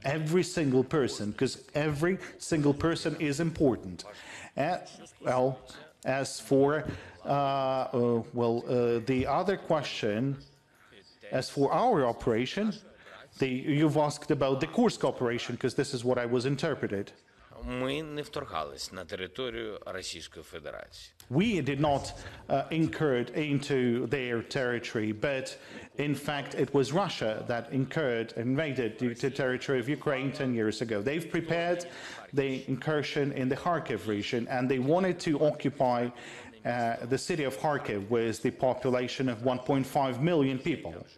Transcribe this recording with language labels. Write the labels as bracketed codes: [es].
[en] Every single person, because every single person is important. And, well, as for the other question, as for our operation, you've asked about the Kursk operation, because this is what I was interpreted. [uk] Ми не вторгались на територію Російської Федерації. [en] We did not incurred into their territory, but in fact it was Russia that incurred and invaded the territory of Ukraine 10 years ago. They've prepared the incursion in the Kharkiv region, and they wanted to occupy the city of Kharkiv with the population of 1.5 million people.